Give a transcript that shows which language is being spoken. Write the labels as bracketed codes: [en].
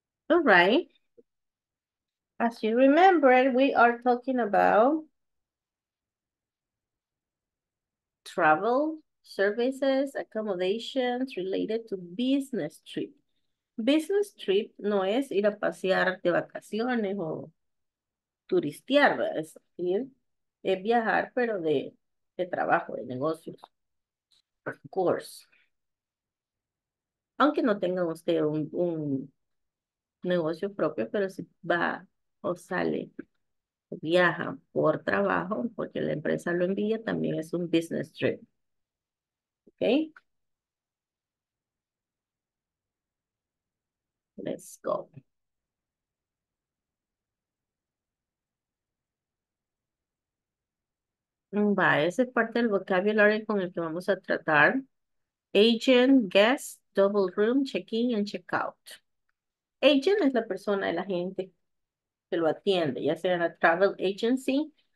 [en] All right. As you remember, we are talking about travel services, accommodations related to business trip. Business trip [es] no es ir a pasear de vacaciones o turistear, es decir, es viajar, pero de trabajo, de negocios. [en] Of course. [es] Aunque no tenga usted un negocio propio, pero si va o sale, viaja por trabajo, porque la empresa lo envía, también es un [en] business trip. Ok. Let's go. [es] Va, esa es parte del vocabulario con el que vamos a tratar. [en] Agent, guest, double room, check-in and check-out. [es] Agent es la persona, el agente que lo atiende, ya sea en la [en] travel agency.